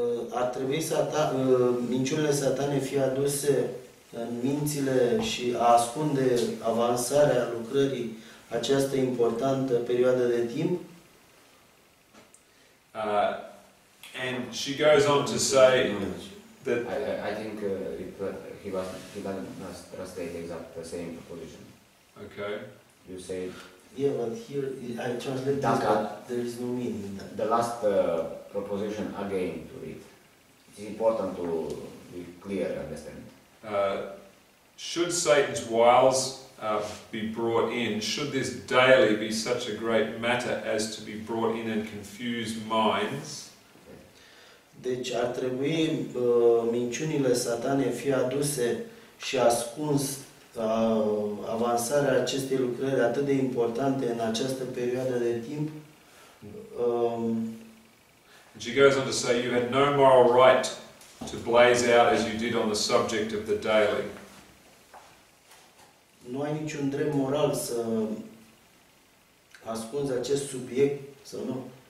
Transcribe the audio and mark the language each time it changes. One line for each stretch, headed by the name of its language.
Romanian: Ar trebui minciunile satane fie aduse în mințile și a ascunde avansarea lucrării această importantă perioadă de timp.
English: And she goes on to say that I think he was restated exact the same proposition. Okay. You say yeah, but here I translate this, but there is no meaning in that. The last proposition again to it. It's important to be clear and understand. Should Satan's wiles be brought in? Should this daily be such a great matter as to be brought in and confuse minds?
Romanian: Deci ar trebui minciunile satane fi aduse și ascuns avansarea acestei lucrări atât de importante în această perioadă de timp.
English: And she goes on to say, you had no moral right to blaze out as you did on the subject of the daily.
Romanian: Nu ai niciun drept moral să ascunzi acest subiect, să nu.